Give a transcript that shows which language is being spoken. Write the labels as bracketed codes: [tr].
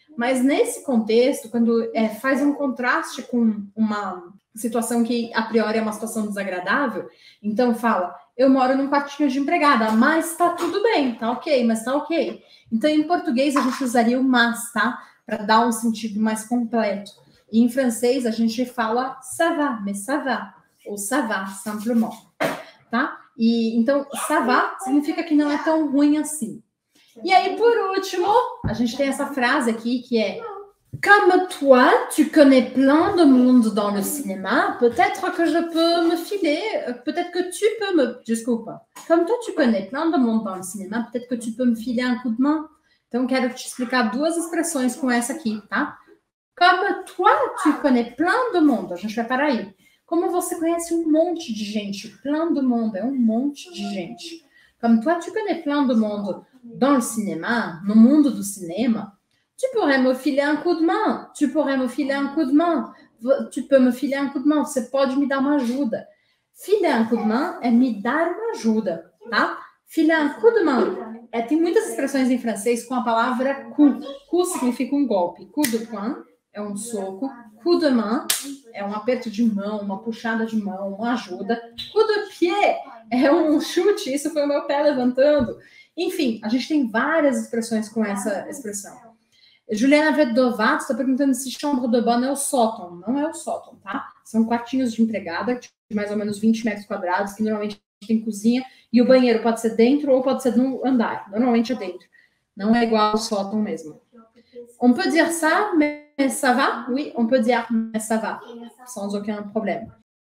[pt] Mas nesse contexto, quando faz um contraste com uma situação que a priori é uma situação desagradável, então fala: eu moro num quartinho de empregada, mas tá tudo bem, tá ok, mas tá ok. Então em português a gente usaria o mas, tá? Para dar um sentido mais completo. E em francês a gente fala [fr] ça va, mais ça va, ou ça va, simplement. [pt] Tá? E então, ça va significa que não é tão ruim assim. E aí, por último, a gente tem essa frase aqui que é: [fr] comme toi, tu connais plein de monde dans le cinéma, peut-être que je peux me filer, peut-être que tu peux me. [pt] Desculpa. [fr] Comme toi, tu connais plein de monde dans le cinéma, peut-être que tu peux me filer un coup de main. [pt] Então, quero te explicar duas expressões com essa aqui, tá? [fr] Comme toi, tu connais plein de monde. [pt] A gente vai parar aí. Como você conhece um monte de gente, [fr] plein de monde, [pt] é um monte de gente. [fr] Comme toi, tu connais plein de monde dans le cinéma, [pt] no mundo do cinema, [fr] tu pourrais me filer un coup de main, tu pourrais me filer un coup de main, tu peux me filer un coup de main, [pt] você pode me dar uma ajuda. [fr] Filer un coup de main [pt] é me dar uma ajuda, tá? [fr] Filer un coup de main, [pt] tem muitas expressões em francês com a palavra coup. Coup significa um golpe, [fr] coup de poing [pt] é um soco. [fr] Coup de main [pt] é um aperto de mão, uma puxada de mão, uma ajuda. [fr] Coup de pied [pt] é um chute, isso foi o meu pé levantando. Enfim, a gente tem várias expressões com essa expressão. Juliana Vedovato está perguntando se [fr] chambre de bonne [pt] é o sótão. Não é o sótão, tá? São quartinhos de empregada, de mais ou menos 20 metros quadrados, que normalmente tem cozinha, e o banheiro pode ser dentro ou pode ser no andar. Normalmente é dentro. Não é igual ao sótão mesmo. [fr] On peut dire ça, mais ça va? Oui, on peut dire, mais ça va. Sans aucun problème.